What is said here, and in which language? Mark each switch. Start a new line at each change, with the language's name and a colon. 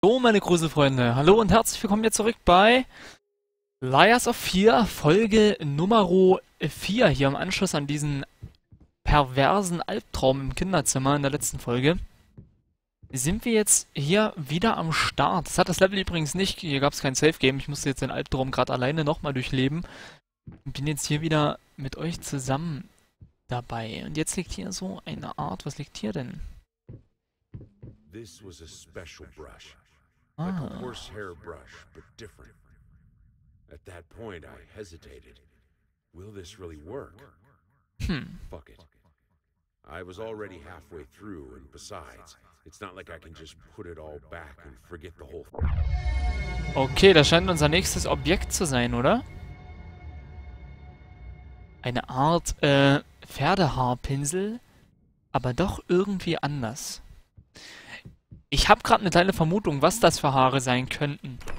German: So, meine Gruselfreunde, hallo und herzlich willkommen hier zurück bei Liars of Fear, Folge Nummer 4, hier im Anschluss an diesen perversen Albtraum im Kinderzimmer in der letzten Folge. Sind wir jetzt hier wieder am Start? Das hat das Level übrigens nicht, hier gab es kein Safe Game, ich musste jetzt den Albtraum gerade alleine nochmal durchleben. Bin jetzt hier wieder mit euch zusammen dabei. Und jetzt liegt hier so eine Art, was liegt hier denn?
English: This was a special brush, like a Ah. horsehair brush, but different. At that point, I hesitated. Will this really work? Fuck it. I was already halfway through, and besides, it's not like I can just put it all back and forget the whole thing.
German: Okay, das scheint unser nächstes Objekt zu sein, oder? Eine Art Pferdehaarpinsel, aber doch irgendwie anders. Ich habe gerade eine kleine Vermutung, was das für Haare sein könnten.